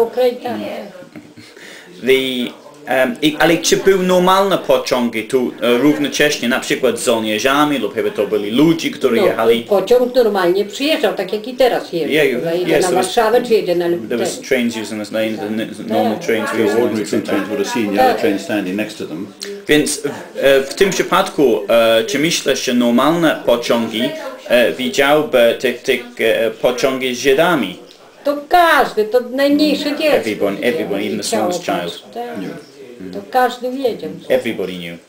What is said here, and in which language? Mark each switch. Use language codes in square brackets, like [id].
[pl] Okay, ale czy były normalne pociągi tu równocześnie, na przykład z żołnierzami lub chyba to byli ludzie, którzy jechali? Pociąg normalnie przyjeżdżał, tak jak i teraz jedzie. [en] Yeah, [pl] jedzie na Warszawę, czy jedzie na Lublin. [en] There was trains using the name, the normal trains. The ordinary trains would have seen the other trains standing next to them. [pl] Więc w tym przypadku, czy myślisz, że normalne pociągi widziałby tych pociągi z Żydami? To każdy, to najmniejsze dziecko. [en] Everyone, even the smallest child. [pl] To każdy wiedział. [en] Everybody knew.